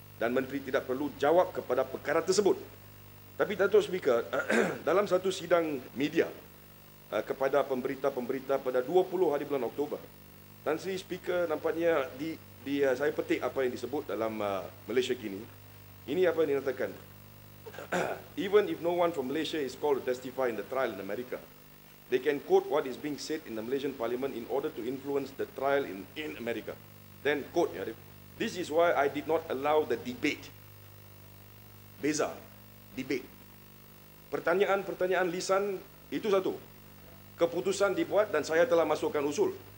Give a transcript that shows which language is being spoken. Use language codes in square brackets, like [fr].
[ms] Dan menteri tidak perlu jawab kepada perkara tersebut. Tapi Datuk Speaker, dalam satu sidang media kepada pemberita-pemberita pada 20 hari bulan Oktober, Tan Sri Speaker nampaknya saya petik apa yang disebut dalam Malaysia Kini. Ini apa yang dinyatakan. [en] Even if no one from Malaysia is called to testify in the trial in America, they can quote what is being said in the Malaysian Parliament in order to influence the trial in America. Then quote, ya. This is why I did not allow the debate. [ms] Beza, debate. Pertanyaan-pertanyaan lisan itu satu. Keputusan dibuat dan saya telah masukkan usul.